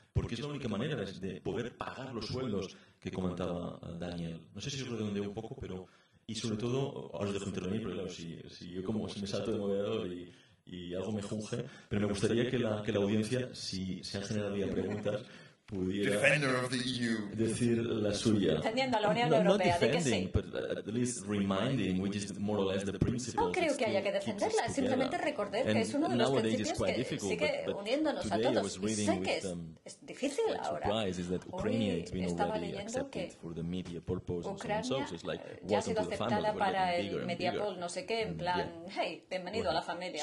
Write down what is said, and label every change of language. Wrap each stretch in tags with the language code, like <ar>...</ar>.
<es>Porque es la única manera de poder pagar los sueldos que comentaba Daniel. No sé si os redondeo un poco, pero... Y sobre todo, ahora os dejo intervenir, pero claro, si yo como si me salto de moderador y algo me junge, pero me gustaría que la audiencia, si se han generado ya preguntas, pudiera</es> <en>defender of the EU.</en> <es>Decir la suya. Defendiendo a la Unión Europea,</es> <en>not defending,</en> <es>di que sí.</es> <en>But at least reminding, which is more or less the principle.</en> <es>No creo que haya que defenderla, simplemente recordar que es uno de los principios que sigue uniéndonos a todos. Y sé que es difícil ahora. Hoy estaba leyendo que Ucrania ya ha sido aceptada para el Mediapol, no sé qué, en plan, hey, bienvenido a la familia.</es>